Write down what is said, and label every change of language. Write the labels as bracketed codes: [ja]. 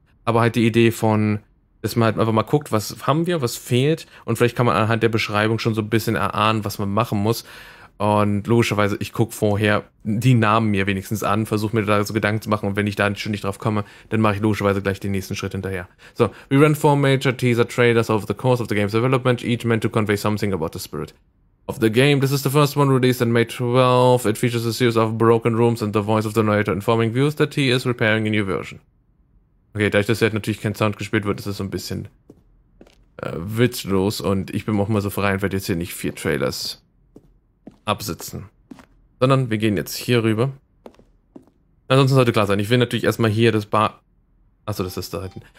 [de] Aber halt die Idee von, dass man halt einfach mal guckt, was haben wir, was fehlt und vielleicht kann man anhand der Beschreibung schon so ein bisschen erahnen, was man machen muss. Und logischerweise, ich gucke vorher die Namen mir wenigstens an, versuche mir da so Gedanken zu machen und wenn ich da schon nicht drauf komme, dann mache ich logischerweise gleich den nächsten Schritt hinterher. [en] So, we ran four major teaser trailers over the course of the game's development, each meant to convey something about the spirit of the game. This is the first one released in May 12. It features a series of broken rooms and the voice of the narrator informing viewers that he is repairing a new version. [de] Okay, da ich das jetzt natürlich kein Sound gespielt wird, ist es so ein bisschen witzlos und ich bin auch mal so frei und werde jetzt hier nicht vier Trailers absitzen. Sondern wir gehen jetzt hier rüber. Ansonsten sollte klar sein, ich will natürlich erstmal hier das Bar. Achso, das ist da hinten.